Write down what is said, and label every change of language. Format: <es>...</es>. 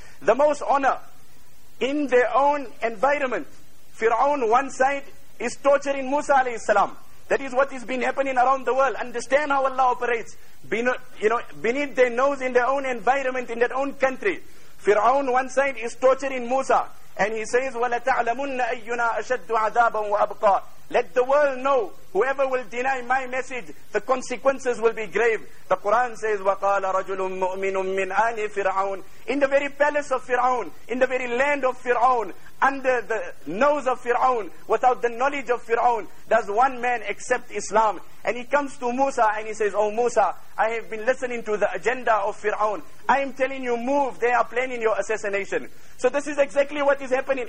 <en>The most honor in their own environment, Fir'aun one side is torturing Musa alayhi salam. That is what has been happening around the world. Understand how Allah operates. Beneath their nose, in their own environment, in their own country, Fir'aun one side is torturing Musa. And he says,</en> <ar>وَلَتَعْلَمُنَّ أَيُّنَا أَشَدُّ عَذَابًا وَأَبْقَى.</ar> <en>Let the world know, whoever will deny my message, the consequences will be grave. The Quran says,</en> <ar>وَقَالَ رَجُلٌ مُؤْمِنٌ مِّنْ آلِ فِرْعَوْنَ.</ar> <en>In the very palace of Fir'aun, in the very land of Fir'aun, under the nose of Fir'aun, without the knowledge of Fir'aun, does one man accept Islam? And he comes to Musa and he says, oh Musa, I have been listening to the agenda of Fir'aun. I am telling you, move, they are planning your assassination. So this is exactly what is happening.</en>